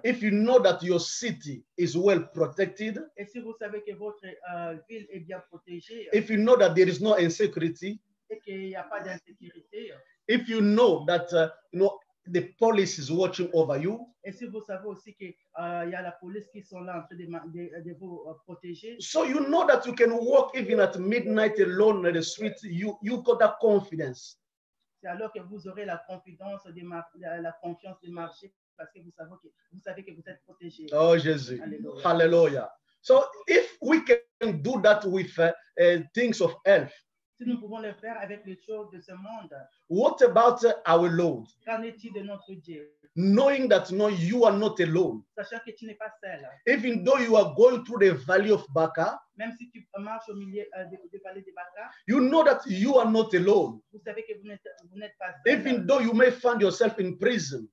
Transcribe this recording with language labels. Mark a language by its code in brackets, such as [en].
[en] If you know that your city is well protected, [fr] et si vous savez que votre ville est bien protégée, [en] if you know that there is no insecurity, [fr] et qu'il y a pas d'insécurité, [en] if you know that the police is watching over you, [fr] et si vous savez aussi que il y a la police qui sont là en train de vous protéger, [en] so you know that you can walk even at midnight alone in the street, you got that confidence. [fr] Alors que vous aurez la confiance de marcher parce que vous savez que vous êtes protégé. Oh Jésus. [en] Hallelujah. So if we can do that with things of earth, [fr] si nous pouvons le faire avec les choses de ce monde, [en] what about our Lord? [fr] Qu'en est-il de notre Dieu? [en] Knowing that you are not alone. [fr] Sachant que tu n'es pas seul. [en] Even though you are going through the valley of Baca, [fr] même si tu marches au milieu de vallée de Baca, [en] you know that you are not alone. [fr] Vous savez que vous n'êtes pas seul. [en] Even though you may find yourself in prison,